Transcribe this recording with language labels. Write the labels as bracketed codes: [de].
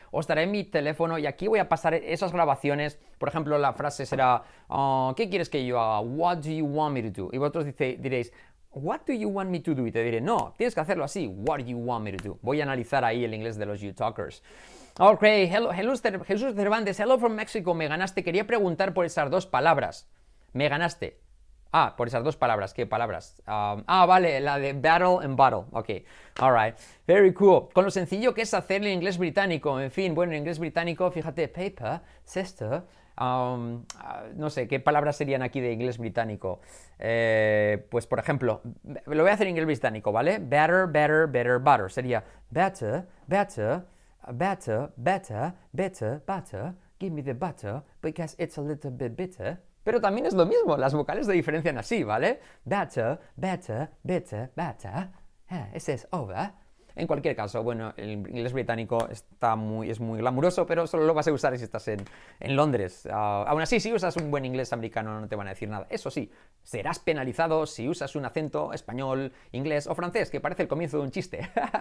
[es] Os daré mi teléfono y aquí voy a pasar esas grabaciones. Por ejemplo, la frase será, ¿qué quieres que yo haga? [en] What do you want me to do? [es] Y vosotros diréis, [en] what do you want me to do? [es] Y te diré, no, tienes que hacerlo así. [en] What do you want me to do? [es] Voy a analizar ahí el inglés de los U-talkers. [en] Ok, hello, Jesús Cervantes. Hello from Mexico. [es] Me ganaste. Quería preguntar por esas dos palabras. Me ganaste. Ah, por esas dos palabras. ¿Qué palabras? Vale, la de [en] battle and bottle. Ok, all right. Very cool. [es] Con lo sencillo que es hacer el inglés británico. En fin, bueno, el inglés británico, fíjate, paper, sister. No sé, ¿qué palabras serían aquí de inglés británico? Pues, por ejemplo, lo voy a hacer en inglés británico, ¿vale? [en] Better, better, better, butter. Sería better, better, better, better, better, butter. Give me the butter because it's a little bit bitter. [es] Pero también es lo mismo, las vocales se diferencian así, ¿vale? Better, better, better, better. [en] This is over. [es] En cualquier caso, bueno, el inglés británico es muy glamuroso, pero solo lo vas a usar si estás en Londres. Aún así, si usas un buen inglés americano, no te van a decir nada. Eso sí, serás penalizado si usas un acento español, inglés o francés, que parece el comienzo de un chiste.